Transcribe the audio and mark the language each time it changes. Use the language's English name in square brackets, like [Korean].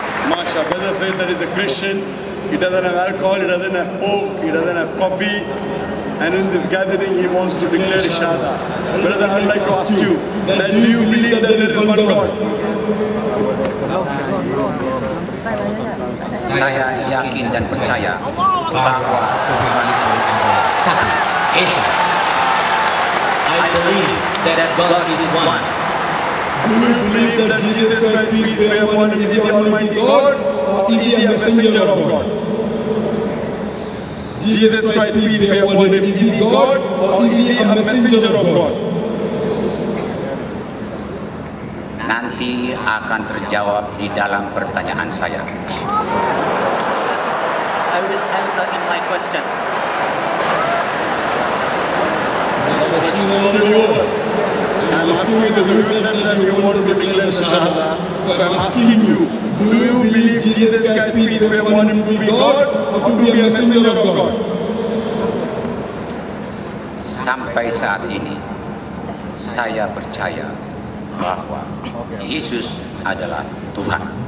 [English] Masha, brother said that he's a Christian. He doesn't have alcohol, he doesn't have pork, he doesn't have coffee. And in this gathering, he wants to declare shahada. Brother, I would like to ask you, that do you believe that there is one God? [Indonesian] Saya yakin dan percaya bahwa Tuhan itu satu, Esa. [English] I believe that God is one. Do you believe that Jesus Christ is the one, is the Almighty God, or is He a messenger of God? Jesus Christ is the one, is He God, or is He a messenger of God? [Indonesian] Nanti akan terjawab di dalam pertanyaan saya. [English] I will answer in my question. I'm asking you, that you want to be declared Shahada. So I'm asking you, do you believe Jesus Christ is the one to be God, or to be a messenger of God? [Indonesian] Sampai saat ini, saya percaya bahwa Yesus adalah Tuhan.